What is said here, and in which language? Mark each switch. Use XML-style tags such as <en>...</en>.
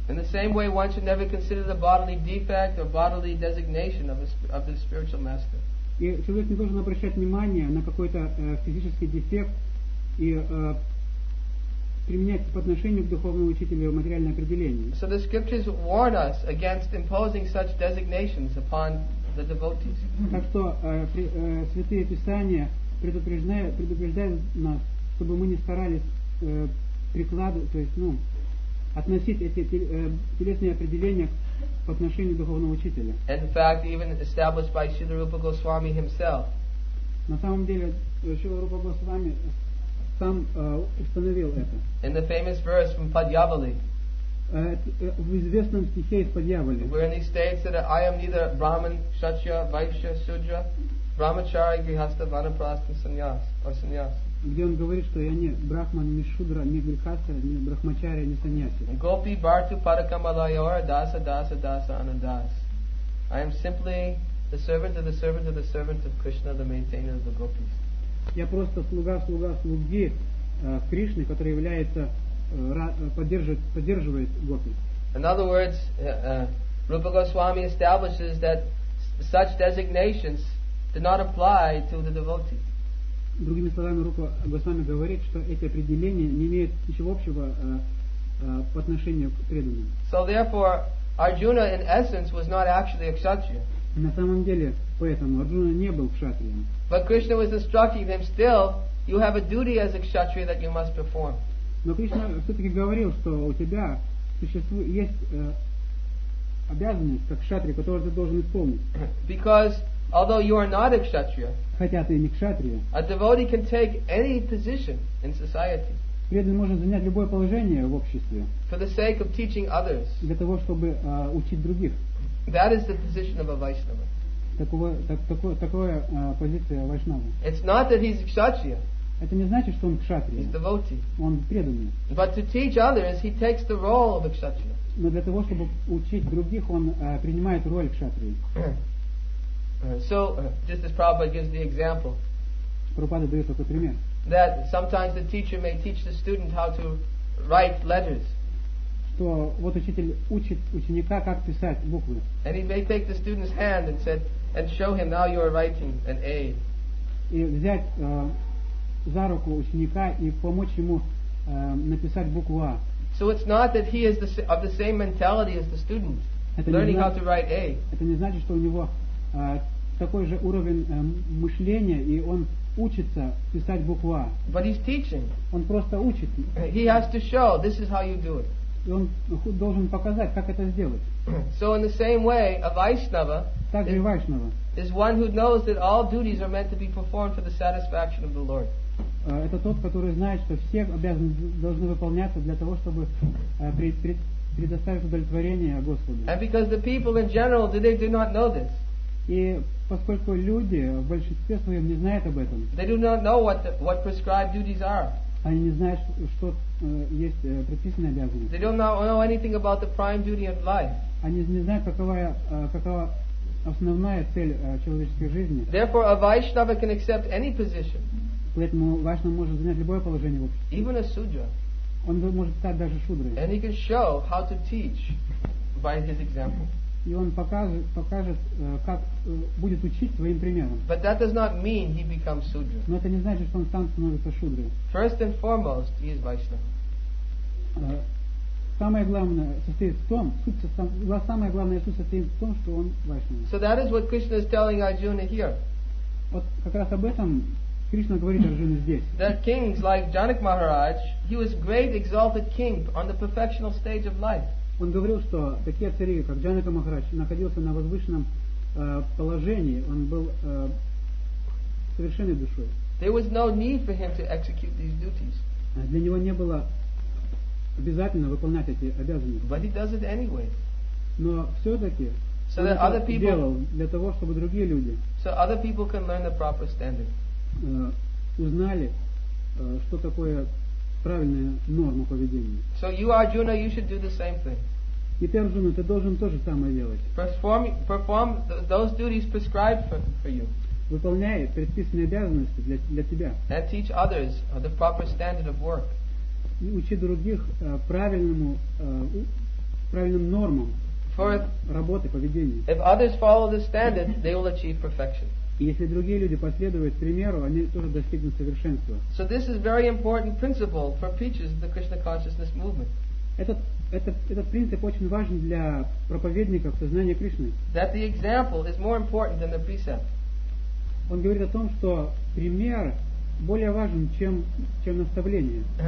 <en>In the same way, one should never consider the bodily defect or bodily designation of the spiritual master.</en> <ru>И человек не должен обращать внимание на какой-то физический дефект и применять по отношению к духовному учителю материальное определение.</ru> <en>So the scriptures warn us against imposing such designations upon the devotees.</en> <ru>Так что Святые Писания предупреждают нас, чтобы мы не старались прикладывать, то есть, ну, относить эти телесные определения по отношению к духовному учителю.</ru> <en>And in fact, even established by Śrīla Rūpa Gosvāmī himself.</en> <ru>На самом деле, Śrīla Rūpa Gosvāmī сам установил это.</ru> <en>In the famous verse from Padyavali.</en> <ru>В известном стихе из Падьяволи.</ru> <en>Wherein he states that I am neither Brahman, Kshatriya, Vaishya, Sudra, Brahmachari, Grihastha, Vanaprastha, Sannyas, or Sannyas.</en> <ru>Где он говорит, что я не брахман, не шудра, не грихаста, не брахмачария, не саньяси.</ru> <sa>Gopi bhartu parakamalayor dasa dasa dasa anandas.</sa> <en>I am simply the servant of the servant of the servant of Krishna, the maintainer of the gopis.</en> <ru>Я просто слуга слуги Кришны, который является поддерживает гопи.</ru> <en>In other words, Rupa Goswami establishes that such designations do not apply to the devotees.</en> <ru>Другими словами, Рупа Госвами говорит, что эти определения не имеют ничего общего по отношению к преданным.</ru> <en>So therefore, Arjuna in essence was not actually a kshatriya.</en> <ru>На самом деле, поэтому Арджуна не был кшатрием.</ru> <en>But Krishna was instructing him still, you have a duty as a kshatriya that you must perform.</en> <ru>Но Кришна все-таки говорил, что у тебя существует обязанность как кшатрия, которую ты должен исполнить.</ru> <en>Because although you are not a kshatriya,</en> <ru>хотя ты не кшатрия,</ru> <en>a devotee can take any position in society.</en> <ru>Преданный может занять любое положение в обществе.</ru> <en>For the sake of teaching others.</en> <ru>Для того, чтобы учить других.</ru> <en>That is the position of a Vaishnava.</en> <ru>Такое позиция Вайшнава.</ru> <en>It's not that he's a kshatriya.</en> <ru>Это не значит, что он кшатрия.</ru> <en>He's a devotee.</en> <ru>Он преданный.</ru> <en>But to teach others, he takes the role of a kshatriya.</en> <ru>Но для того, чтобы учить других, он принимает роль кшатрии.</ru> <en>Just as Prabhupada gives the example.</en> <ru>Prabhupada дает такой пример.</ru> <en>That sometimes the teacher may teach the student how to write letters.</en> <ru>Что вот учитель учит ученика, как писать буквы.</ru> <en>And he may take the student's hand and said, and show him now you are writing an A.</en> <ru>И взять за руку ученика и помочь ему написать букву А.</ru> <en>So it's not that he is of the same mentality as the student, learning how to write A.</en> <ru>Это не значит, что у него такой же уровень мышления, и он учится писать букву А.</ru> <en>But he's teaching.</en> <ru>Он просто учит.</ru> <en>He has to show, this is how you do it.</en> <ru>И он должен показать, как это сделать.</ru> <en>So in the same way, a Vaishnava is one who knows that all duties are meant to be performed for the satisfaction of the Lord.</en> <ru>Это тот, который знает, что все обязанности должны выполняться для того, чтобы предоставить удовлетворение Господу.</ru> <en>And because the people in general today do not know this.</en> <ru>И поскольку люди в большинстве своем не знают об этом.</ru> <en>They do not know what prescribed duties are.</en> <ru>Они не знают, что есть предписанные обязанности.</ru> <en>They do not know anything about the prime duty of life.</en> <ru>Они не знают, какова основная цель человеческой жизни.</ru> <en>Therefore, a Vaishnava can accept any position.</en> <ru>Поэтому Вайшнава может занять любое положение в обществе.</ru> <en>Even a Sudra.</en> <ru>Он может стать даже шудрой.</ru> <en>And he can show how to teach by his example.</en> <ru>И он покажет, как будет учить своим примером.</ru> <en>But that does not mean he becomes Sudra.</en> <ru>Но это не значит, что он сам становится шудрой.</ru> <en>First and foremost, he is Vaishnava.</en> <ru>Самое главное состоит в том, самое главное состоит в том, что он Вайшнава.</ru> <en>So that is what Krishna is telling Arjuna here.</en> <ru>Вот как раз об этом Кришна говорит Арджуне здесь.</ru> <en>That kings like Janak Maharaj, he was great exalted king on the perfectional stage of life.</en> <ru>Он говорил, что такие цари, как Джанака Махарадж, находился на возвышенном положении. Он был совершенной душой.</ru> <en>There was no need for him to execute these duties.</en> <ru>Для него не было обязательно выполнять эти обязанности.</ru> <en>But he does it anyway.</en> <ru>Но все-таки</ru> <en>so</en> <ru>он</ru> <en>that</en> <ru>это</ru> <en>other people,</en> <ru>делал для того, чтобы другие люди</ru> <en>so other people can learn the proper standard.</en> <ru>Узнали, что такое правильная норма поведения.</ru> <en>So you, Arjuna, you should do the same thing.</en> <ru>И ты, Арджуна, ты должен тоже самое делать.</ru> <en>Perform those duties prescribed for you.</en> <ru>Выполняй предписанные обязанности для тебя.</ru> <en>And teach others the proper standard of work.</en> <ru>И учи других правильным нормам работы, поведения.</ru> <en>If others follow the standard, they will achieve perfection.</en> <ru>И если другие люди последуют примеру, они тоже достигнут совершенства.</ru> <en>So this is very important principle for preachers of the Krishna consciousness movement.</en> <ru>Этот принцип очень важен для проповедников сознания Кришны.</ru> <en>That the example is more important than the precept.</en> <ru>Он говорит о том, что пример более важен, чем наставление.</ru>